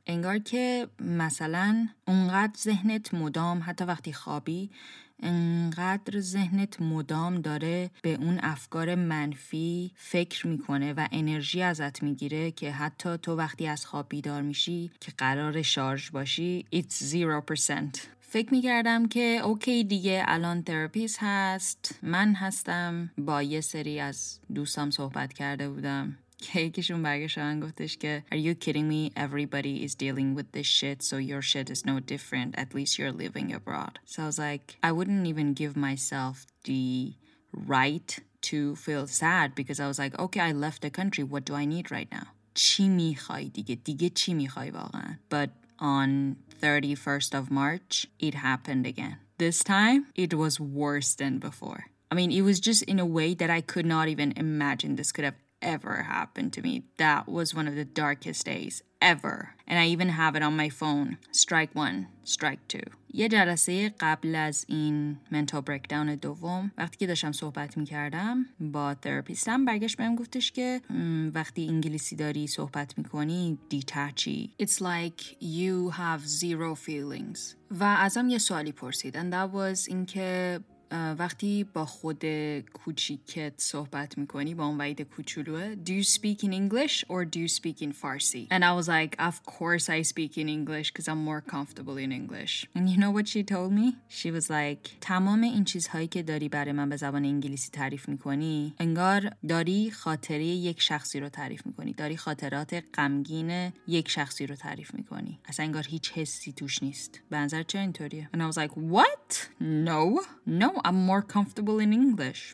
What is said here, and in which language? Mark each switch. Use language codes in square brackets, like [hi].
[fa] انگار که مثلا انقدر ذهنت مدام حتی وقتی خوابی انقدر ذهنت مدام داره به اون افکار منفی فکر میکنه و انرژی ازت میگیره که حتی تو وقتی از خواب بیدار میشی که قرار شارژ باشی [en] it's 0%. [fa] فکر میکردم که اوکی دیگه الان تراپیست هست، من هستم. با یه سری از دوستام صحبت کرده بودم که یکیشون برگشتن گفتش که [en] Are you kidding me? Everybody is dealing with this shit, so your shit is no different. At least you're living abroad. So I was like, I wouldn't even give myself the right to feel sad because I was like, okay, I left the country. What do I need right now? [fa] چی میخوای دیگه؟ دیگه چی میخوای واقعا؟ [en] But on 31st of March, it happened again. This time, it was worse than before. I mean, it was just in a way that I could not even imagine this could have ever happened to me. That was one of the darkest days ever. And I even have it on my phone. Strike one, strike two. [fa] یه جلسه قبل از این منتال بریکداون دوم وقتی که داشتم صحبت میکردم با تراپیستم برگشت بهم گفتش که وقتی انگلیسی داری صحبت میکنی دیتچی. [en] It's like you have zero feelings. [fa] و ازم یه سوالی پرسید [en] and that was [fa] اینکه وقتی با خود کوچیکت صحبت میکنی با اون وعید کوچولوه [en] Do you speak in English or do you speak in Farsi? And I was like, of course I speak in English because I'm more comfortable in English. And you know what she told me? She was like, [fa] تمام این چیزهایی که داری برای من به زبان انگلیسی تعریف میکنی انگار داری خاطره یک شخصی رو تعریف میکنی. داری خاطرات غمگین یک شخصی رو تعریف میکنی. اصلا انگار هیچ حسی توش نیست. به نظر چه اینطوریه؟ [en] And I was like, what? No. I'm more comfortable in English.